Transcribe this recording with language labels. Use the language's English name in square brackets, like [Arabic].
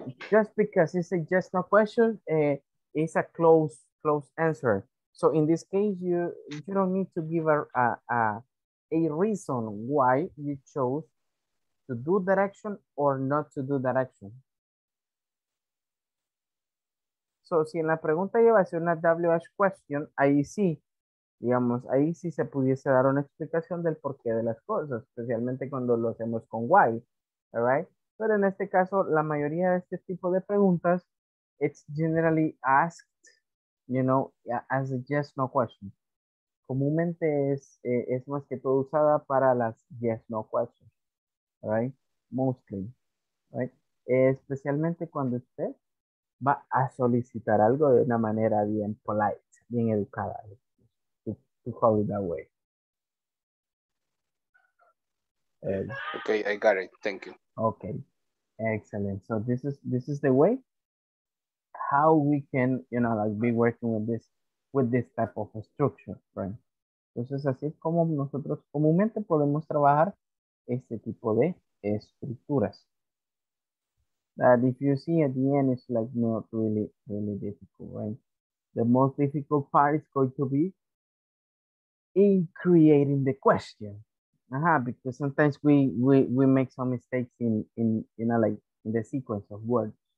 [English] Just because it's a yes, no question, it's a close answer. So in this case, you don't need to give a reason why you chose to do that action or not to do that action. [Spanish] So si en la pregunta lleva a ser una WH question, ahí sí, digamos, ahí sí se pudiese dar una explicación del porqué de las cosas, especialmente cuando lo hacemos con why, [English] all right? [Spanish] Pero en este caso, la mayoría de este tipo de preguntas, [English] it's generally asked, you know, as a yes, no question. [Spanish] Comúnmente es más que todo usada para las [English] yes, no questions. Right? Mostly. Right? [Spanish] Especialmente cuando usted va a solicitar algo de una manera bien polite, bien educada. [English] To call it that way. Okay, I got it. Thank you. Okay. Excellent. So this is the way how we can, you know, like be working with this type of a structure, right? [Spanish] Entonces, así es como nosotros comúnmente podemos trabajar este tipo de estructuras. [English] That if you see at the end, it's like not really, really difficult, right? The most difficult part is going to be in creating the question. Because sometimes we make some mistakes in, you know, like in the sequence of words.